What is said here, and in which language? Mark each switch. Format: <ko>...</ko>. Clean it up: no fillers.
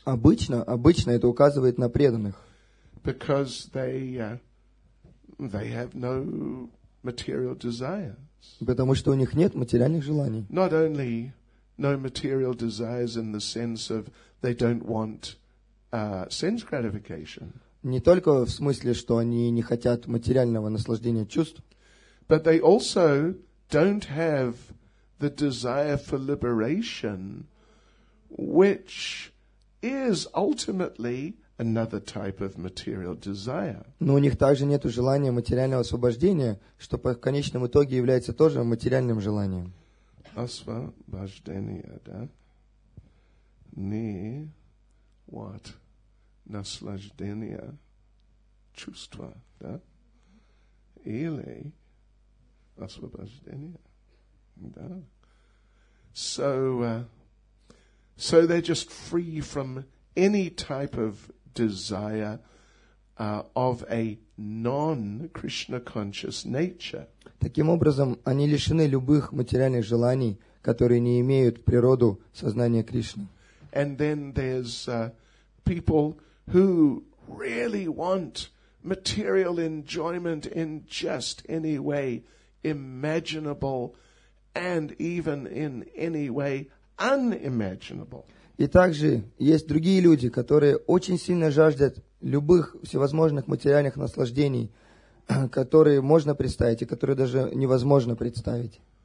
<ru>Обычно это указывает на преданных.</ru> <en>Because they have no material desires.</en> <ru>Потому что у них нет материальных желаний.</ru> <en>Not only no material desires in the sense of they don't want sense gratification.</en> <ru>Не только в смысле, что они не хотят материального наслаждения чувств.</ru> <en>But they also don't have the desire for liberation, which is ultimately another type of material desire.</en> <ru>Но у них также нет желания материального освобождения, что в конечном итоге является тоже материальным желанием. Освобождение, да? Не</ru> <en>what?</en> <ru>Наслаждение чувства, да? Или освобождение, да?</ru> <en>So they're just free from any type of desire of a non-Krishna conscious nature.</en> <ru>Таким образом, они лишены любых материальных желаний, которые не имеют природу сознания Кришны.</ru> <en>And then there's people who really want material enjoyment in just any way imaginable and even in any way unimaginable.</en> <ru>И также есть другие люди, которые очень сильно жаждут любых всевозможных материальных наслаждений, которые можно представить и которые даже невозможно представить.</ru>